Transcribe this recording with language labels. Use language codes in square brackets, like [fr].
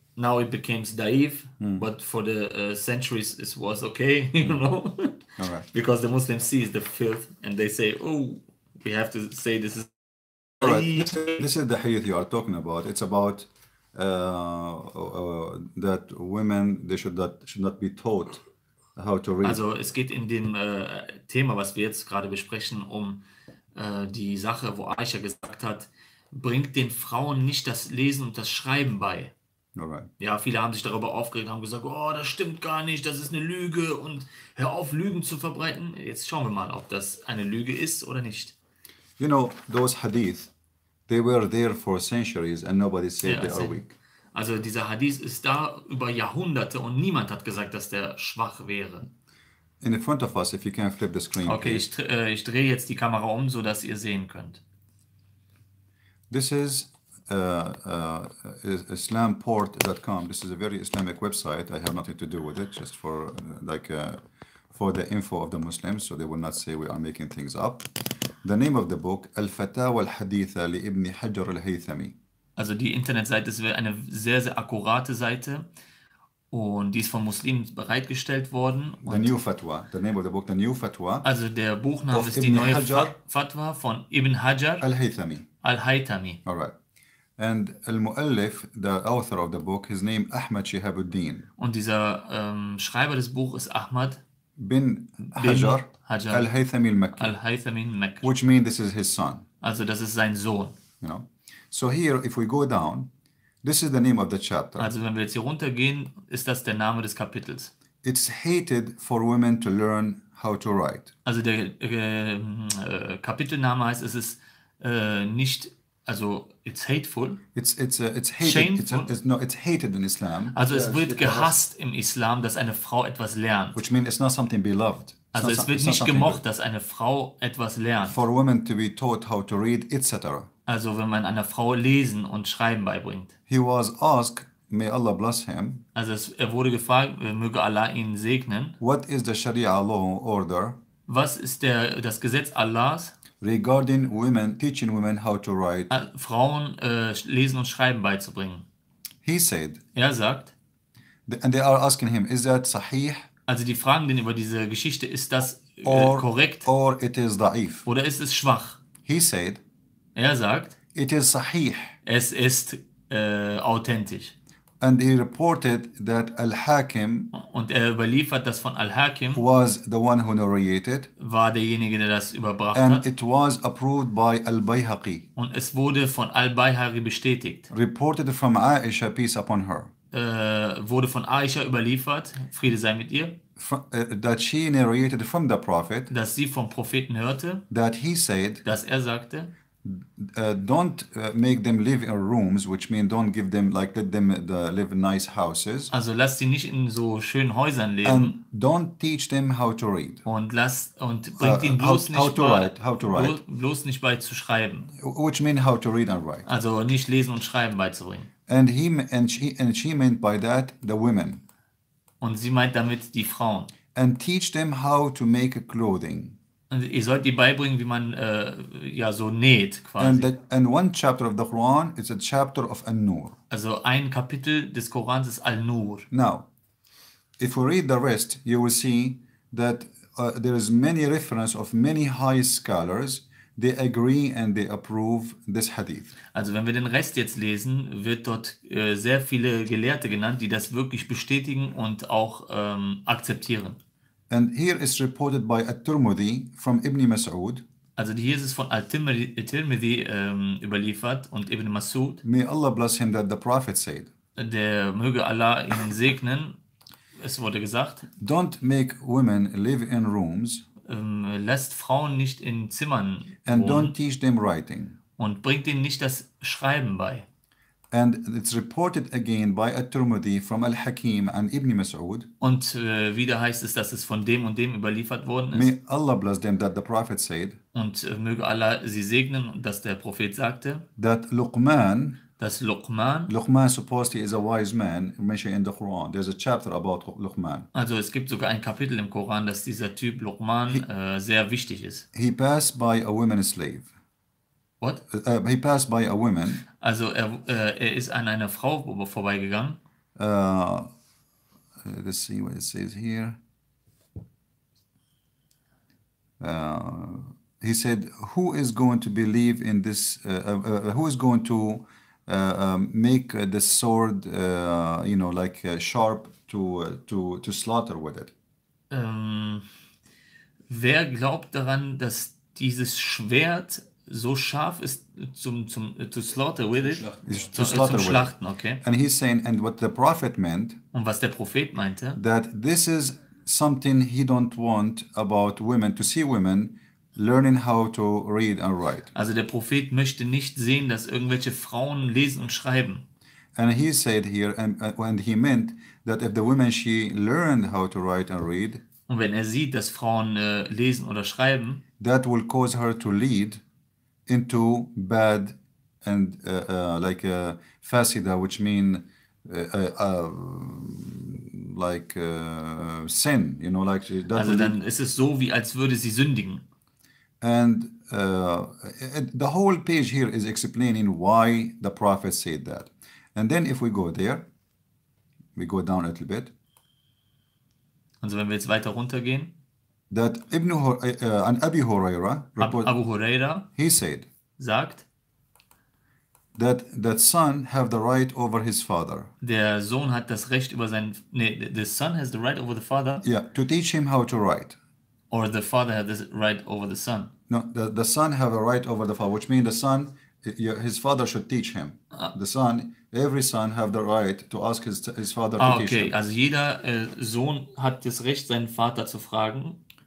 [en] Now it becomes daif, but for the centuries it was okay, you know. All right. Because the Muslims see the filth and they say, oh, we have to say this is daif. All right. This is the hadith you are talking about. It's about that women, they should not be taught how to read. [de] Also es geht in dem Thema, was wir jetzt gerade besprechen, um die Sache, wo Aisha gesagt hat, bringt den Frauen nicht das Lesen und das Schreiben bei. [en] Alright. [de] Ja, viele haben sich darüber aufgeregt, haben gesagt, oh, das stimmt gar nicht, das ist eine Lüge und hör auf, Lügen zu verbreiten. Jetzt schauen wir mal, ob das eine Lüge ist oder nicht. [en] You know, those hadith, they were there for centuries and nobody said they are weak. [de] Also dieser Hadith ist da über Jahrhunderte und niemand hat gesagt, dass der schwach wäre. [en] In front of us, if you can flip the screen. [de] Okay, ich drehe jetzt die Kamera um, so dass ihr sehen könnt. [en] This is islamport.com. This is a very Islamic website. I have nothing to do with it, just for like for the info of the Muslims, so they will not say we are making things up. The name of the book, Al-Fatawa al-Haditha li Ibn Hajar al-Haythami. [de] Also die Internetseite ist eine sehr, sehr akkurate Seite und die ist von Muslimen bereitgestellt worden. Und [en] the New Fatwa, the name of the book, The New Fatwa. [de] Also der Buchname ist die neue Fatwa von Ibn Hajar al-Haythami. [en] Al-Haythami. All right. And al-Mu'allif, the author of the book, his name Ahmad Shihabuddin. [de] Und dieser Schreiber des Buches ist Ahmad bin Hajar, Hajar al-Haythami al-Makki. [en] Al-Haythami al-Makki. Which means this is his son. [de] Also das ist sein Sohn. [en] You know? So here, if we go down, this is the name of the chapter. [de] Also wenn wir jetzt hier runtergehen, ist das der Name des Kapitels. [en] It's hated for women to learn how to write. [de] Also der Kapitelname heißt, es ist nicht, also [en] it's hateful. It's hated. Shameful. It's hated in Islam. [de] Also es wird gehasst im Islam, dass eine Frau etwas lernt. [en] Which means it's not something beloved. [de] Also es wird nicht gemocht, dass eine Frau etwas lernt. [en] For women to be taught how to read, etc. [de] Also wenn man einer Frau lesen und schreiben beibringt. [en] He was asked, may Allah bless him. [de] Also er wurde gefragt, möge Allah ihn segnen. [en] What is the Sharia law order? [de] Was ist das Gesetz Allahs? [en] Regarding women, teaching women how to write. [de] Frauen lesen und schreiben beizubringen. [en] He said. [de] Er sagt. [en] And they are asking him, is that sahih? [de] Also die fragen den über diese Geschichte, ist das korrekt? [en] Or it is da'if. [de] Oder ist es schwach? [en] He said. [de] Er sagt, [en] it is sahih. [de] Es ist authentisch. [en] And he reported that Al-Hakim, [de] und er überliefert das von Al-Hakim, [en] was the one who narrated, [de] war derjenige, der das überbracht [en] and [de] hat. [en] It was approved by Al-Bayhaqi, [de] und es wurde von Al-Bayhaqi bestätigt. [en] Reported from Aisha, peace upon her. [de] Wurde von Aisha überliefert, Friede sei mit ihr. [en] That she narrated from the prophet, [de] dass sie vom Propheten hörte, [en] that he said, [de] dass er sagte, [en] Don't make them live in rooms, which means don't give them, like, let them live in nice houses. [de] Also lass sie nicht in so schönen Häusern leben. [en] And don't teach them how to read. [de] Und bringt ihnen bloß nicht bei zu schreiben. [en] Which means how to read and write. [de] Also nicht lesen und schreiben beizubringen. [en] And she meant by that the women. [de] Und sie meint damit die Frauen. [en] And teach them how to make clothing. [de] Und ihr sollt die beibringen, wie man ja so näht quasi. [en] And one chapter of the Quran is a chapter of An-Nur. [de] Also ein Kapitel des Korans ist Al-Nur. [en] Now, if we read the rest, you will see that there is many reference of many high scholars. They agree and they approve this hadith. [de] Also wenn wir den Rest jetzt lesen, wird dort sehr viele Gelehrte genannt, die das wirklich bestätigen und auch akzeptieren. [en] And here is reported by At-Tirmidhi from Ibn Mas'ud. [de] Also hier ist es von Al-Tirmidhi überliefert und Ibn Mas'ud. [en] May Allah bless him that the Prophet said. [de] Der möge Allah ihn segnen. Es wurde gesagt. [en] Don't make women live in rooms. [de] Lässt Frauen nicht in Zimmern wohnen. [en] And don't teach them writing. [de] Und bringt ihnen nicht das Schreiben bei. [en] And it's reported again by At-Tirmidhi from Al-Hakim and Ibn Mas'ud. [de] Und wieder heißt es, dass es von dem und dem überliefert worden ist. [en] May Allah bless them that the Prophet said. [de] Und möge Allah sie segnen, dass der Prophet sagte. [en] That Luqman. [de] Dass Luqman. [en] Luqman supposedly is a wise man mentioned in the Quran. There's a chapter about Luqman. [de] Also es gibt sogar ein Kapitel im Koran, dass dieser Typ Luqman sehr wichtig ist. [en] He passed by a woman slave. What? He passed by a woman. [de] Also er ist an einer Frau vorbeigegangen. [en] Let's see what it says here. He said, who is going to believe in this, who is going to make the sword, you know, like sharp to slaughter with it? [de] Wer glaubt daran, dass dieses Schwert so scharf ist [en] to slaughter with it, slaughter [de] zum Schlachten, okay? [en] And he's saying, and what the prophet meant, [de] und was der Prophet meinte, [en] that this is something he don't want about women, to see women learning how to read and write. [de] Also der Prophet möchte nicht sehen, dass irgendwelche Frauen lesen und schreiben. [en] And he said here, and he meant that if the women she learned how to write and read, [de] und wenn er sieht, dass Frauen lesen oder schreiben, [en] that will cause her to lead into bad and like fasida, which mean like sin, you know, like that. [de] Also dann ist es so, wie als würde sie sündigen. [en] And the whole page here is explaining why the prophet said that. And then if we go there, we go down a little bit. [de] Also wenn wir jetzt weiter runtergehen, [en] that Ibn and Abi Huraira, Abu Huraira, he said, [de] sagt, [en] that that son have the right over his father. [de] Der Sohn hat das Recht über seinen, [en] the son has the right over the father. Yeah, to teach him how to write. Or the father has the right over the son. No, the son have a right over the father, which means the son, his father should teach him. The son, every son have the right to ask his father to teach him. [de] Okay, also jeder Sohn hat das Recht, seinen Vater zu fragen.